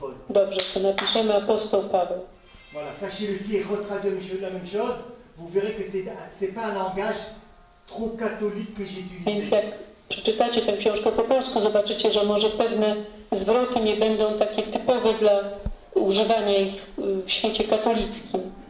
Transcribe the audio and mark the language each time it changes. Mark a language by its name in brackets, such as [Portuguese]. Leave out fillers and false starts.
[Polish] Dobrze, to napiszemy Apostoł Paweł. [French] Voilà, sachez-le si est retraduit la même chose, vous verrez que c'est pas un langage trop catholique que j'ai utilisé. [Polish] Więc jak przeczytacie tę książkę po polsku, zobaczycie, że może pewne zwroty nie będą takie typowe dla używania ich w świecie katolickim.